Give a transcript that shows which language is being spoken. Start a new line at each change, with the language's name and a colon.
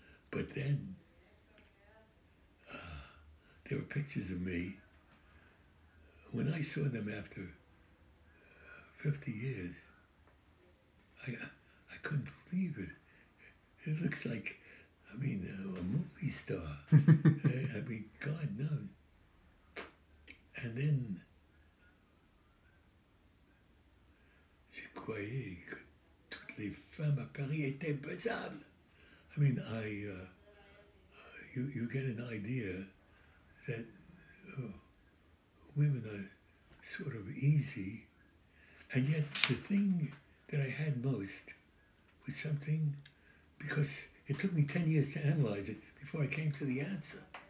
English: But then, there were pictures of me. When I saw them after 50 years, I couldn't believe it. It looks like, a movie star. God knows. And then,
French: je croyais que toutes les femmes à Paris étaient baisables.
English: You get an idea that women are sort of easy. And yet the thing that I had most was something, because it took me 10 years to analyze it before I came to the answer.